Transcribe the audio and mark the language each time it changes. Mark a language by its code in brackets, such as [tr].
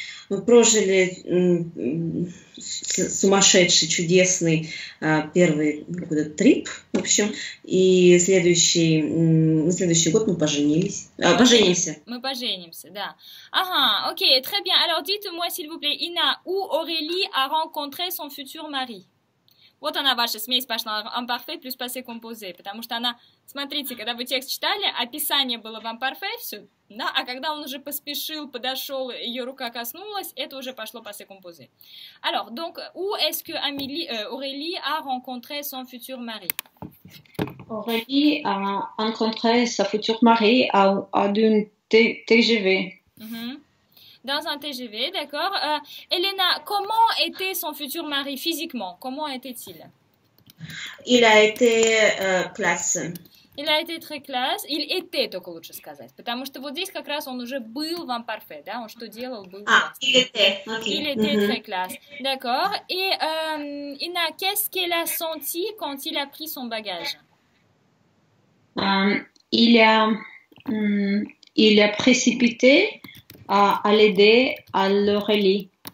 [ru] Мы прожили сумасшедший, чудесный первый какой-то трип, в общем, и следующий год мы поженились. Поженимся. Мы поженимся, да. Ага, окей, [fr] très bien. Alors dites-moi, s'il vous plaît, Ina, où Aurélie a rencontré son futur mari? [ru] Вот она, ваша смесь пошла imparfait плюс passé composé, потому что она, смотрите, когда вы текст читали, описание было в imparfait, все, да, а когда он уже поспешил, подошел, ее рука коснулась, это уже пошло passé composé. [fr] Alors, donc, où est-ce que Aurélie a rencontré son futur mari? Aurélie a rencontré sa future mari à une TGV. Dans un TGV, d'accord. Elena, comment était son futur mari physiquement? Comment était-il? Il a été classe. Il a été très classe. Il était, [ru] только лучше сказать. Потому что вот здесь как раз он уже был в imparfait, да? Он что делал, был в [fr] imparfait. Il était. Okay. Il était très classe. D'accord. Et Ina, qu'est-ce qu'elle a senti quand il a pris son bagage? Il a précipité... à l'aider à l'Aurélie.